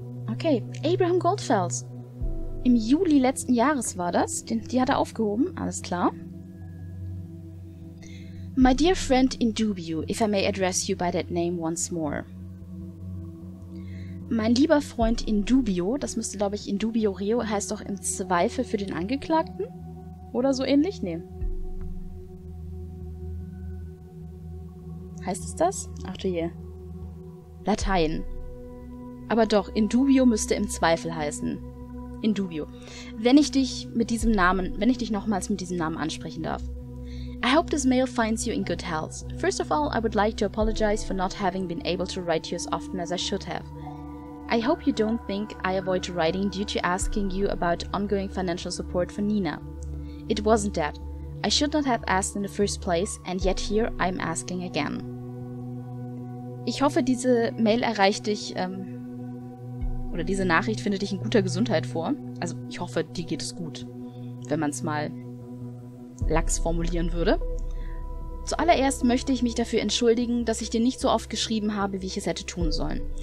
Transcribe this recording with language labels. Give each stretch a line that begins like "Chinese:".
German: Okay, Abraham Goldfels. Im Juli letzten Jahres war das. Die hat er aufgehoben, alles klar.
English: My dear friend in dubio, if I may address you by that name once more.
German: Mein lieber Freund in dubio, das müsste glaube ich in dubio reo, heißt doch im Zweifel für den Angeklagten? Oder so ähnlich? Nee. Heißt es das? Ach du je. Latein. Aber doch, in dubio müsste im Zweifel heißen. In dubio. Wenn ich dich nochmals mit diesem Namen ansprechen darf.
English: I hope this mail finds you in good health. First of all, I would like to apologize for not having been able to write to you as often as I should have. I hope you don't think I avoid writing due to asking you about ongoing financial support for Nina. It wasn't that. I should not have asked in the first place, and yet here I'm asking again.
German: Ich hoffe, diese Mail erreicht dich, oder diese Nachricht findet dich in guter Gesundheit vor. Also, ich hoffe, dir geht es gut, wenn man es mal lax formulieren würde. Zuallererst möchte ich mich dafür entschuldigen, dass ich dir nicht so oft geschrieben habe, wie ich es hätte tun sollen.